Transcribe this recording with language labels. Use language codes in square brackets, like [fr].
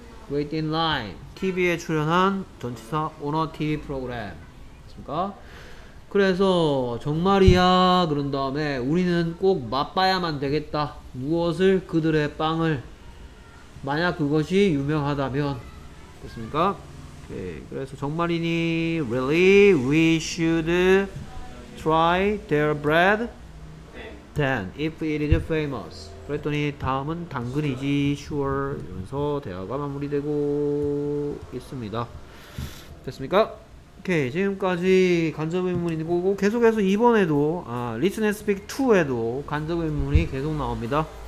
[en] Wait in line. [ko] TV에 출연한 전치사 [en] on a TV program. [ko] 됐습니까? 그래서 정말이야. 그런 다음에 우리는 꼭 맛봐야만 되겠다. 무엇을? 그들의 빵을. 만약 그것이 유명하다면. 됐습니까? 오케이. 그래서 정말이니 [en] Really? We should try their bread then if it is famous. [ko] 그랬더니 다음은 당근이지 sure 이러면서 대화가 마무리되고 있습니다. 됐습니까? 오케이. 지금까지 간접의문이고 계속해서 이번에도 Listen and Speak 2에도 간접의문이 계속 나옵니다.